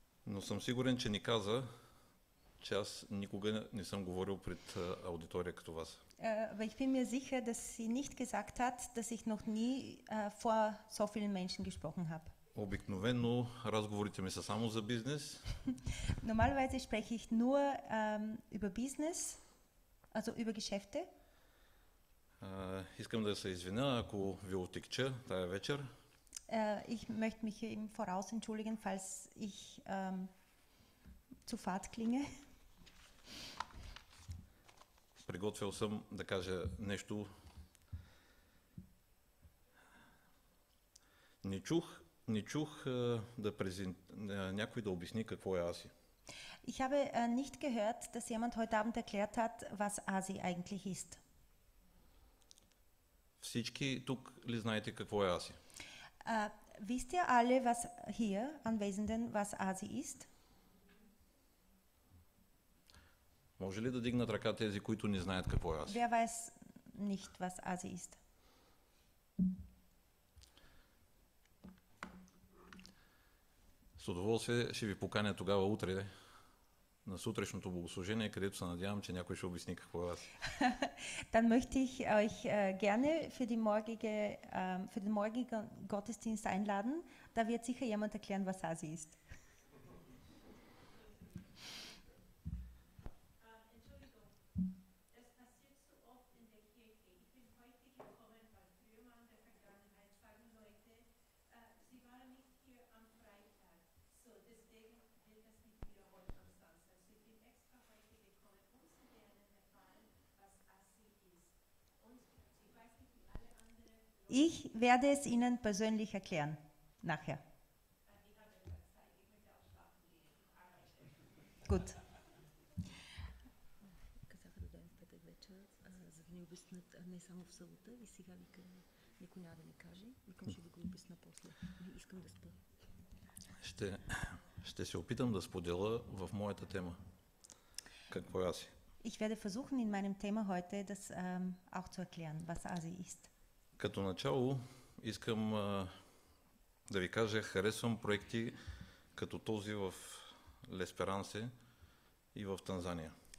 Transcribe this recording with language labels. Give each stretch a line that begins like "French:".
Bulgarian: Но съм сигурен, че ни каза, че аз никога не съм говорил пред аудитория като вас.
German: Aber ich bin mir sicher, dass sie nicht gesagt hat, dass ich noch nie vor so vielen Menschen gesprochen habe.
Bulgarian: Обикновено разговорите ми са само за бизнес.
German: Normalerweise spreche ich nur über Business, also über Geschäfte.
Bulgarian: Искам да се извиня, ако ви отекча тая вечер.
German: Ich möchte mich im Voraus entschuldigen, falls ich zu fad klinge.
Bulgarian: Приготвил съм да кажа нещо. Не чух да някой да обясни какво е Аси.
German: Ich habe nicht gehört, dass jemand heute Abend erklärt hat, was Asi eigentlich ist.
Bulgarian: Всички тук ли знаете какво е Аси?
German: Wisst ihr alle, was hier Anwesenden, was Asi ist?
Bulgarian: Може ли да дигнат ръка тези, които не знаят какво е Аси?
German: Wer weiß nicht, was Asi ist?
Bulgarian: С удоволствие ще ви поканя тогава утре на сутрешното богослужение, където се надявам, че някой ще обясни какво е Аси.
German: Dann möchte ich euch gerne für den morgigen Gottesdienst einladen. Da wird sicher jemand erklären, was Asi ist. Ich werde es Ihnen persönlich erklären, nachher. Gut.
Bulgarian: Ще се опитам да споделя в моята тема. Какво е Аси?
German: Ich werde versuchen, in meinem Thema heute das auch zu erklären, was Asi ist.
Bulgarian: Като начало искам да ви кажа, харесвам проекти като този в Лесперансе и в Танзания.